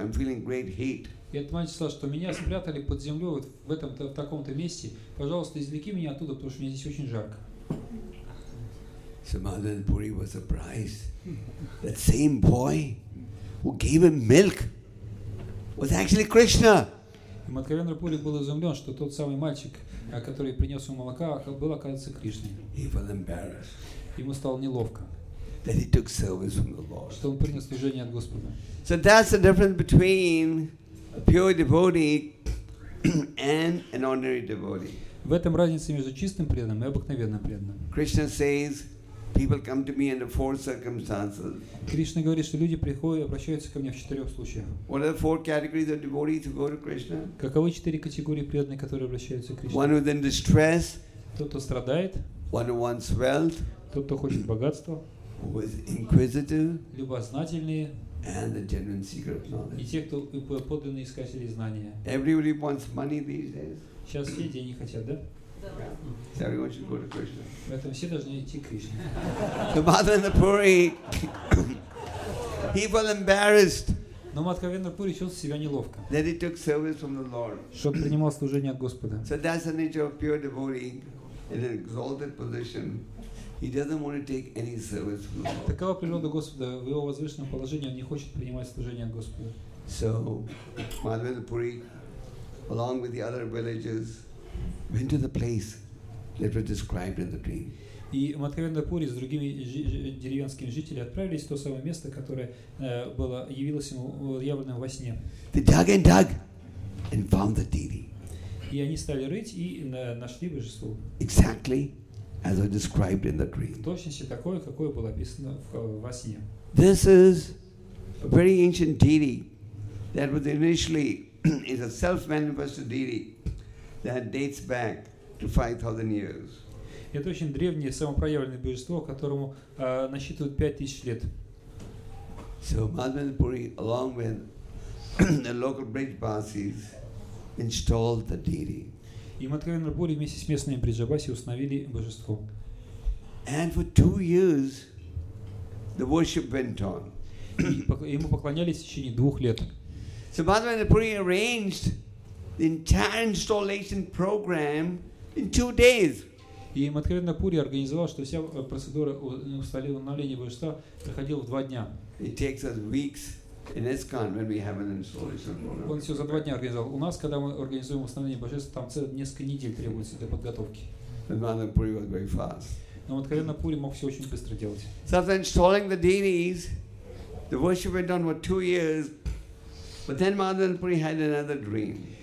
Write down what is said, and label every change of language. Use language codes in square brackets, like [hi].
[en] I'm feeling great heat. [ru] И этот мальчик сказал, что меня спрятали под землю вот в этом в таком-то месте. Пожалуйста, извлеки меня оттуда, потому что мне здесь очень жарко. [en] So Madhavendra Puri was surprised. That same boy who gave him milk was actually Krishna. [ru] Мадхавендра Пури был изумлен, что тот самый мальчик, который принес ему молока, был, оказывается, Кришной. [en] He was embarrassed. [ru] Ему стало неловко. [en] That he took service from the Lord. [ru] Что он принял служение от Господа. [en] So that's the difference between a pure devotee and an ordinary devotee. [ru] В этом разница между чистым преданным и обыкновенным преданным. [en] Krishna says, people come to me under four circumstances. [ru] Кришна говорит, что люди приходят и обращаются ко мне в четырех случаях. [en] What are the four categories of devotees who go to Krishna? [ru] Каковы четыре категории преданных, которые обращаются к Кришне? [en] One who is in distress. [ru] Тот, кто страдает. [en] One who wants wealth. [ru] Тот, кто хочет богатства. [en] Who is inquisitive. [ru] Любознательные. [en] And the genuine seeker of knowledge. [ru] И те, кто подлинные искатели знания. [en] Everybody wants money these days. [ru] Сейчас все деньги хотят, да? [en] Yeah. Everyone should go to Krishna. [ru] Поэтому все должны идти к Кришне. [en] The Madhavendra Puri, he was embarrassed [ru] Но Мадхавендра Пури чувствовал себя неловко. [en] That he took service from the Lord. [ru] Что он принимал служение от Господа. [en] So that's the nature of pure devotee in an exalted position. He doesn't want to take any service from the Lord. [ru] Такова природа Господа. В его возвышенном положении он не хочет принимать служение от Господа. [en] So Мадхавендра Пури, along with the other villagers, went to the place that was described in the dream. [ru] И Мадхавендра Пури с другими деревенскими жителями отправились в то самое место, которое было явилось ему явленным во сне. [en] They dug and dug and found the deity. [ru] И они стали рыть и нашли божество. [en] Exactly as was described in the dream. [ru] Точности такое, какое было описано во сне. [en] This is a very ancient deity that was initially is a self-manifested deity that dates back to 5,000 years. [ru] Это очень древнее самопроявленное божество, которому насчитывает 5000 лет. [en] So Madhavendra Puri, along with the local Brijbasis, installed the deity. [ru] И Мадхавендра Пури вместе с местными Бриджабаси установили божество. [en] And for 2 years, the worship went on. [ru] Ему поклонялись в течение 2 лет. [en] So Madhavendra Puri arranged the entire installation program in 2 days. [ru] И Мадхавендра Пури организовал, что вся процедура установления божества проходила в 2 дня. [en] It takes us weeks in ISKCON when we have an installation. [ru] Он все за 2 дня организовал. У нас, когда мы организуем установление божества, там целых несколько недель требуется для подготовки. [en] And Madhavendra Puri was very fast. [ru] Но Мадхавендра Пури мог все очень быстро делать. [en] So after installing the deities, the worship went on for 2 years, but then Madhavendra Puri had another dream.